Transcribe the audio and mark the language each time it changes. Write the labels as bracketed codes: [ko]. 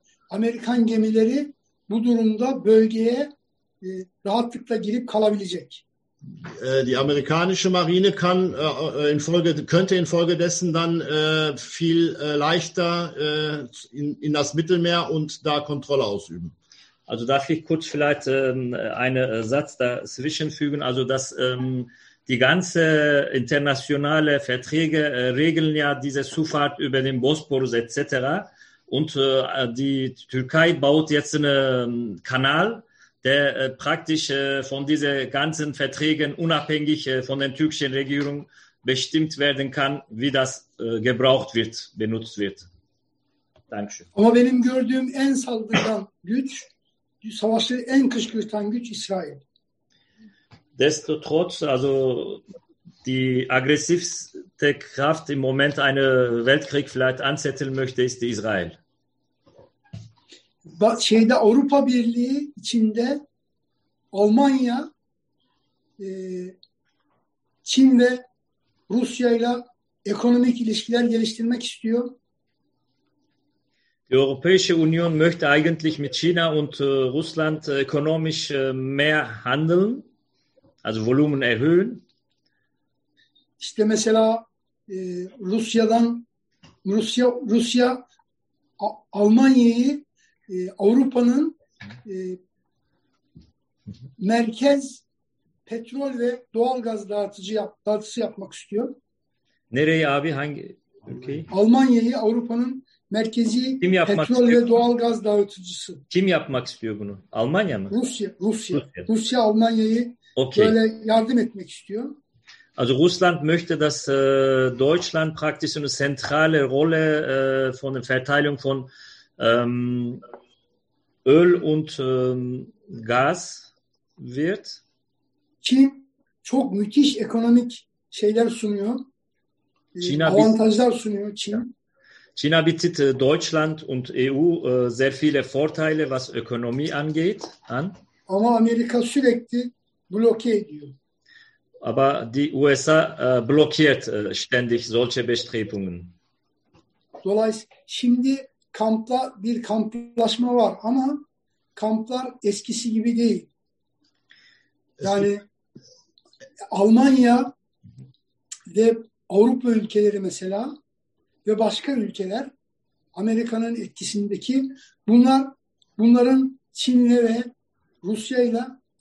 [tr] Amerikan gemileri bu durumda bölgeye rahatlıkla girip kalabilecek. [de] Die amerikanische Marine kann infolgedessen dann viel leichter in das Mittelmeer und da Kontrolle ausüben. Also darf ich kurz vielleicht einen Satz dazwischen fügen, also dass die ganze internationale Verträge regeln ja diese Zufahrt über den Bosporus etc. Und die Türkei baut jetzt einen Kanal, der praktisch von diesen ganzen Verträgen unabhängig von der türkischen Regierung bestimmt werden kann, wie das gebraucht wird, benutzt wird. Dankeschön. [tr] Aber benim gördüğüm en saldırgan güç, savaşı en kışkırtan güç İsrail. [de] Destotrotz, also die aggressivste Kraft im Moment einen Weltkrieg vielleicht anzetteln möchte, ist Israel. [tr] Şeyde Avrupa Birliği içinde Almanya Çin ve Rusya'yla ekonomik ilişkiler geliştirmek istiyor. [de] Die Europäische Union möchte eigentlich mit China und Russland ökonomisch mehr handeln, also Volumen erhöhen. [tr] İşte mesela Rusya Almanya'yı Avrupa'nın merkez petrol ve doğalgaz dağıtıcısı yapmak istiyor. Nereye abi, hangi ülkeyi? Almanya'yı Avrupa'nın merkezi petrol ve doğalgaz dağıtıcısı. Kim yapmak istiyor bunu? Almanya mı? Rusya. Rusya Almanya'yı böyle yardım etmek istiyor. [de] Also Russland möchte, dass Deutschland praktisch eine zentrale Rolle von der Verteilung von Öl und Gas wird. [tr] Çin çok müthiş ekonomik şeyler sunuyor. Avantajlar sunuyor Çin. [de] China bietet Deutschland und EU sehr viele Vorteile, was Ökonomie angeht, an. [tr] Ama Amerika sürekli bloke ediyor. [de] Aber die USA blockiert ständig solche Bestrebungen. [tr] Dolayısıyla şimdi kampta bir kamplaşma var ama kamplar eskisi gibi değil. Yani Almanya ve Avrupa ülkeleri mesela ve başka ülkeler Amerika'nın etkisindeki bunların Çin'le ve Rusya'yla